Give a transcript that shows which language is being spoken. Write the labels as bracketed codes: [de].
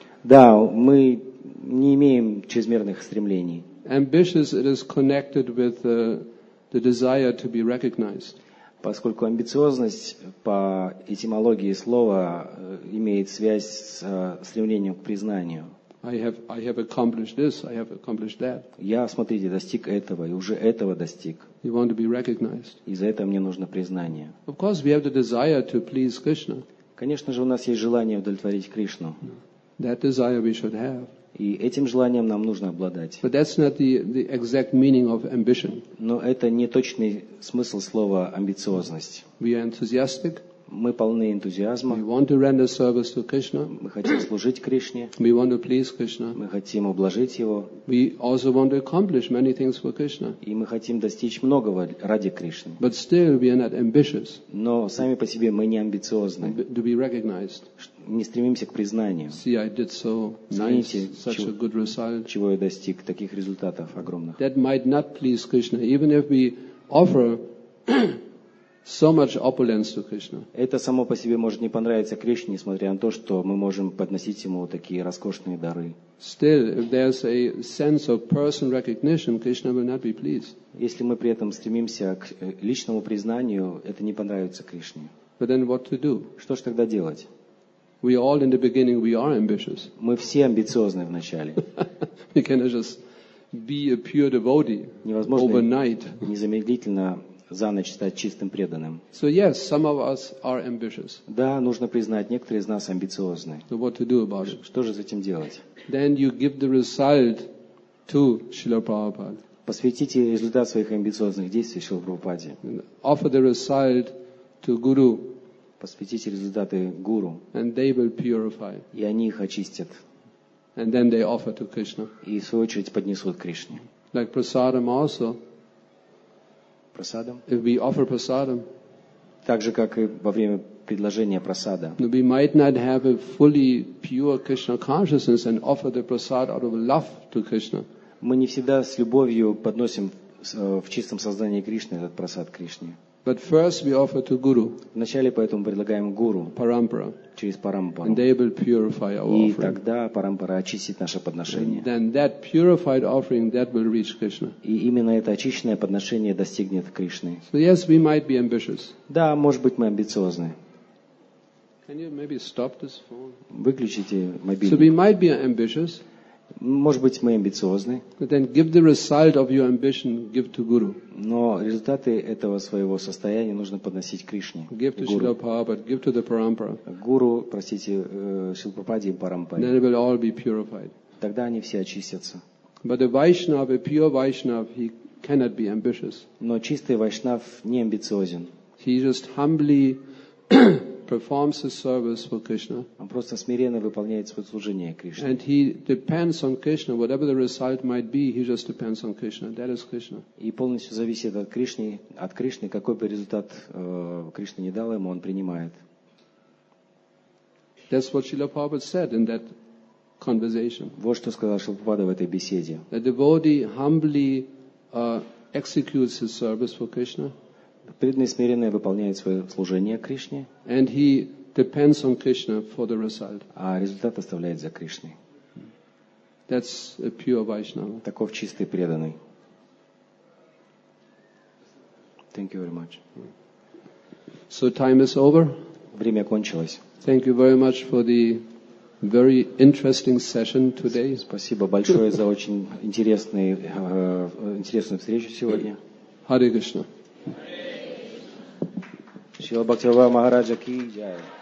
[ru] Да, мы не имеем чрезмерных стремлений. [en] Ambitious, it is connected with the desire to be recognized. [ru] Поскольку амбициозность по этимологии слова имеет связь с стремлением к признанию. [en] I have accomplished this, I have accomplished that. [ru] Я, смотрите, достиг этого и уже этого достиг. [en] You want to be recognized. [ru] И за это мне нужно признание. [en] Of course, we have the desire to please Krishna. [ru] Конечно же, у нас есть желание удовлетворить Кришну. [en] That desire we should have. [ru] И этим желанием нам нужно обладать. [en] But that's not the exact meaning of ambition. [ru] Но это не точный смысл слова амбициозность. [en] We are enthusiastic. [ru] Мы полны энтузиазма. [en] We want to render service to Krishna. [ru] Мы хотим служить Кришне. [en] We want to please Krishna. [ru] Мы хотим ублажить Его. [en] We also want to accomplish many things for Krishna. [ru] И мы хотим достичь многого ради Кришны. [en] But still we are not ambitious. [ru] Но сами по себе мы не амбициозны. [en] To be recognized. [ru] Не стремимся к признанию. [en] See, I did so nice, such a good result. [ru] Чего я достиг, таких результатов огромных. [en] That might not please Krishna, even if we offer so much opulence to Krishna. [ru] Это само по себе может не понравиться Кришне, несмотря на то, что мы можем подносить ему такие роскошные дары. [en] Still, if there's a sense of person recognition, Krishna will not be pleased. [ru] Если мы при этом стремимся к личному признанию, это не понравится Кришне. [en] But then what to do? [ru] Что ж тогда делать? [en] We all in the beginning we are ambitious. [ru] Мы все амбициозны вначале. [en] We cannot just be a pure devotee. [ru] Невозможно [en] overnight. [ru] Незамедлительно за ночь стать чистым преданным. [en] So yes, some of us are ambitious. [ru] Да, нужно признать, некоторые из нас амбициозны. [en] So what to do about it? [ru] Что же с этим делать? [en] Then you give the result to Srila Prabhupada. [ru] Посвятите результат своих амбициозных действий Шрила Прабхупаде. [en] Offer the result to Guru. [ru] Посвятите результаты Гуру. [en] And they will purify. [ru] И они их очистят. [en] And then they offer to Krishna. [ru] И в свою очередь поднесут Кришне. [en] Like prasadam also. Prasadam. If we offer prasadam, [ru] так же, как и во время предложения прасада. [en] We might not have a fully pure Krishna consciousness and offer the prasad out of love to Krishna. [ru] Мы не всегда с любовью подносим в чистом сознании Кришны этот прасад Кришне. [en] But first we offer to Guru. [ru] Вначале поэтому предлагаем Гуру. Парампара. Через парампару. [en] And they will purify our offering. [ru] И тогда парампара очистит наше подношение. [en] Then that purified offering that will reach Krishna. [ru] И именно это очищенное подношение достигнет Кришны. [en] So yes, we might be ambitious. [ru] Да, может быть мы амбициозны. [en] Can you maybe stop this phone? [ru] Выключите мобильник. [en] So we might be ambitious. [ru] Может быть, мы амбициозны. [en] But then give the result of your ambition, give to Guru. [ru] Но результаты этого своего состояния нужно подносить Кришне. [en] Give to Srila Prabhupada, give to the Parampara. [ru] Гуру, простите, Шрила Прабхупаде и Парампаре. [en] Then they will all be purified. [ru] Тогда они все очистятся. [en] But a Vaishnav, a pure Vaishnav, he cannot be ambitious. [ru] Но чистый Вайшнав не амбициозен. [en] He just humbly performs his service for Krishna. [ru] Он просто смиренно выполняет свое служение Кришне. [en] And he depends on Krishna, whatever the result might be, he just depends on Krishna. That is Krishna. [ru] И полностью зависит от Кришны, какой бы результат Кришна не дал ему, он принимает. [en] That's what Srila Prabhupada said in that conversation. [ru] Вот что сказал Шрила Прабхупада в этой беседе. [en] The devotee humbly executes his service for Krishna. [ru] Преданный смиренно выполняет свое служение Кришне. [en] And he depends on Krishna for the result. [ru] А результат оставляет за Кришной. [en] That's a pure Vaishnava. [ru] Таков чистый преданный. [en] Thank you very much. So time is over. [ru] Время кончилось. [en] Thank you very much for the very interesting session today. [ru] Спасибо большое за очень интересную встречу сегодня. [en] Hare Krishna. [ru] Шрила Бхактивинода Махараджа ки джай.